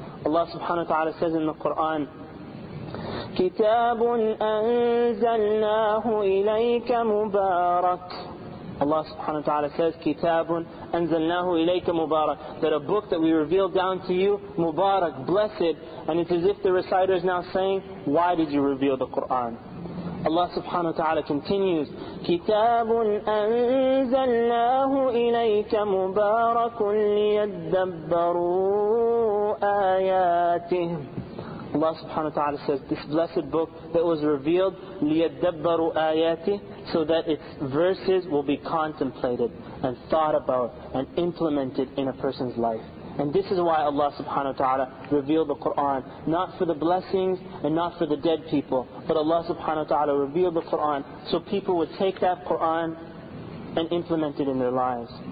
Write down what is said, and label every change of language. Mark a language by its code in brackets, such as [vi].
[en] Allah subhanahu wa ta'ala says in the Quran, [ar] كِتَابٌ أَنزَلْنَاهُ إِلَيْكَ مُبَارَكٌ. [en] Allah subhanahu wa ta'ala says, [ar] كِتَابٌ أَنزَلْنَاهُ إِلَيْكَ مُبَارَكٌ. [en] That a book that we revealed down to you, Mubarak, blessed. And it's as if the reciter is now saying, why did you reveal the Quran? Allah subhanahu wa ta'ala continues, [ar] كِتَابٌ أَنزَلْنَاهُ إِلَيْكَ مُبَارَكٌ لِيَدَّبَّرُوا آيَاتِهِ. [en] Allah subhanahu wa ta'ala says, this blessed book that was revealed, [ar] لِيَدَّبَّرُوا آيَاتِهِ, [en] so that its verses will be contemplated and thought about and implemented in a person's life. And this is why Allah subhanahu wa ta'ala revealed the Quran, not for the blessings and not for the dead people, but Allah subhanahu wa ta'ala revealed the Quran so people would take that Quran and implement it in their lives.